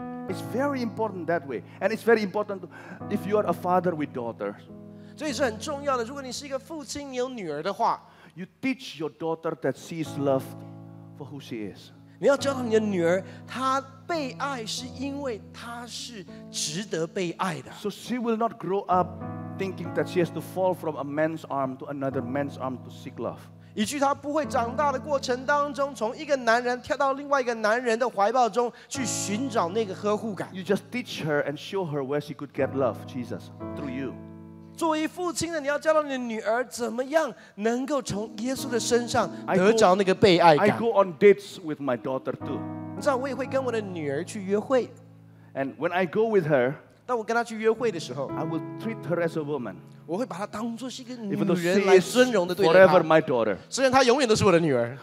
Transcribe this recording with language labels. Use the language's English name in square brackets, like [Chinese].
[English] It's very important that way. And it's very important if you are a father with daughters. [Chinese] 这也是很重要的，如果你是一个父亲，你有女儿的话。 [English] You teach your daughter that she is loved for who she is. [Chinese] 你要教导你的女儿，她被爱是因为她是值得被爱的。 [English] So she will not grow up thinking that she has to fall from a man's arm to another man's arm to seek love. [Chinese] 以至于她不会长大的过程当中，从一个男人跳到另外一个男人的怀抱中去寻找那个呵护感。 [English] You just teach her and show her where she could get love, Jesus, through you. [Chinese] 作为父亲的，你要教导你的女儿怎么样能够从耶稣的身上得着那个被爱感。 [English] I go on dates with my daughter too. [Chinese] 你知道我也会跟我的女儿去约会。 [English] And when I go with her, [Chinese] 当我跟她去约会的时候 [English] ，I will treat her as a woman. [Chinese] 我会把她当作是一个女人来尊荣的对待她。 [English] Forever my daughter. [Chinese] 虽然她永远都是我的女儿。